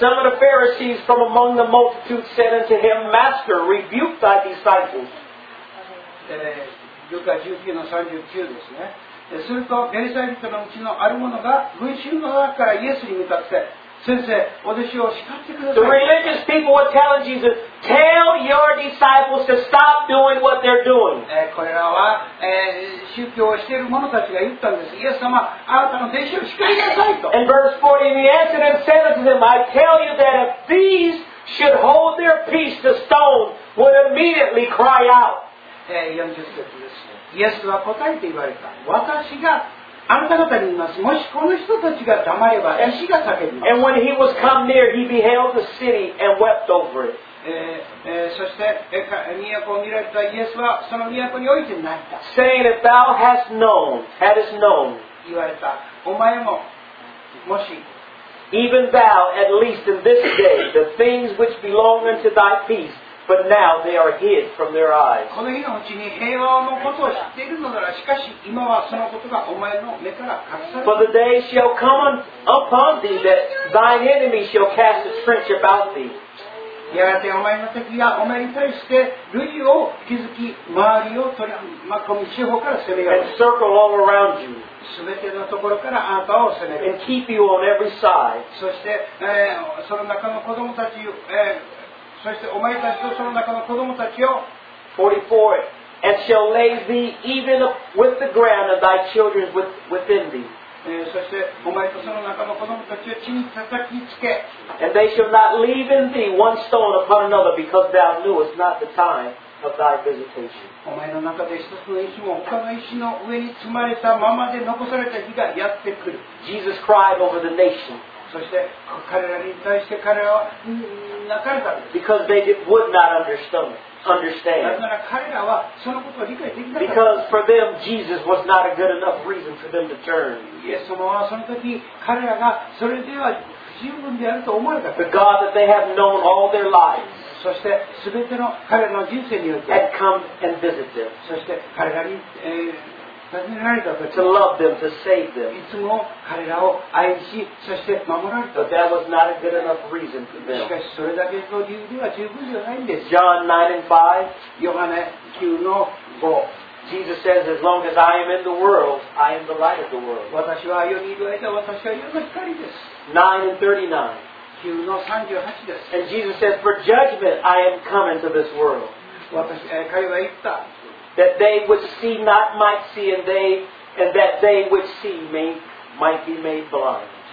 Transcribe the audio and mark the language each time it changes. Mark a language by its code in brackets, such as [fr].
[en] And some of the Pharisees from among the multitude said unto him, Master, rebuke thy disciples. [ja] ルカ19:39ですね。すると、ペリサイ人のうちのある者が群衆の中からイエスに向かって、先生、お弟子を叱ってください。 [en] The religious people were telling Jesus, Tell your disciples to stop doing what they're doing. [ja] これらは、宗教をしている者たちが言ったんです。イエス様、あなたの弟子を叱りなさいと。 [en] And verse 40, he answered and said unto them, I tell you that if these should hold their peace, the stone would immediately cry out. [ja] 40節です。イエスは答えて言われた。私が、あなた方に言います。もしこの人たちが黙れば、石が叫びます。 [en] And when he was come near, he beheld the city and wept over it. [ja] そして、都を見られたイエスはその都において泣いた。 [en] Saying, if thou hast known, hadst known, [ja] 言われた。お前も、もし、 [en] even thou, at least in this day, the things which belong unto thy peace, but now they are hid from their eyes. [ja] この日のうちに平和のことを知っているのなら、しかし今はそのことがお前の目から隠されている。 [en] For the day shall come upon thee that thine enemy shall cast a trench about thee. [ja] やがてお前の敵がお前に対して類を築き、周りを取り巻く四方から攻め上る。 [en] And circle all around you. [ja] すべてのところからあなたを責める。 [en] And keep you on every side. [ja] そして、その中の子供たち、そしてお前たちとその中の子供たちを [en] 44 And shall lay thee even with the ground of thy children within thee. [ja] そしてお前とその中の子供たちを地に叩きつけ。 [en] And they shall not leave in thee one stone upon another because thou knewest not the time of thy visitation. [ja] お前の中で一つの石も他の石の上に積まれたままで残された日がやってくる。 [en] Jesus cried over the nation. [ja] そして彼らに対して彼らは泣かれたんです。 [en] Because they would not understand. [ja] なぜなら彼らはそのことを理解できなかった。 [en] Because for them, Jesus was not a good enough reason for them to turn. [ja] イエス様はその時彼らがそれでは不十分であると思われた。 [en] The God that they have known all their lives. [ja] そしてすべての彼らの人生において。 [en] Had come and visited them. [ja] そして彼らに、 [en] To love them, to save them. [ja] いつも彼らを愛し、そして守られた。 [en] But that was not a good enough reason for them. [ja] しかしそれだけの理由では十分ではないんです。 [en] John 9:5, [ja] ヨハネ9:5, [en] Jesus says, As long as I am in the world, I am the light of the world. [ja] 私は世にいる間、私は世の光です。 [en] 9:39 [ja] です。 [en] And Jesus says, For judgment I am come into this world. [ja] 私、彼は言った。 [en] That they which see not might see, and that they which see may, might be made blind.